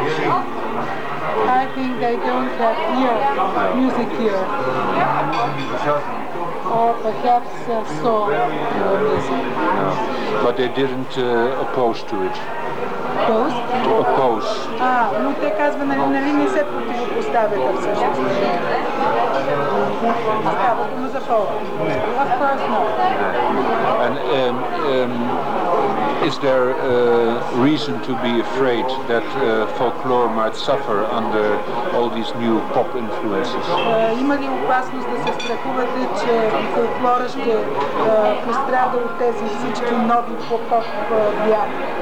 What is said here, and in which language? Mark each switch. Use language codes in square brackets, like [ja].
[en] I think they don't have music here. Or perhaps saw music. No. But they didn't oppose to it. Opposed? To oppose. [bg] Ah, но те казва, нали не се противопоставяха всъщност. Става дума за фолк. [en] Of course not. And is there a reason to be afraid that folklore might suffer under all these new pop influences? [bg] Има ли опасност да се страхувате, че фолклора ще пострада от тези всички нови поп бяха?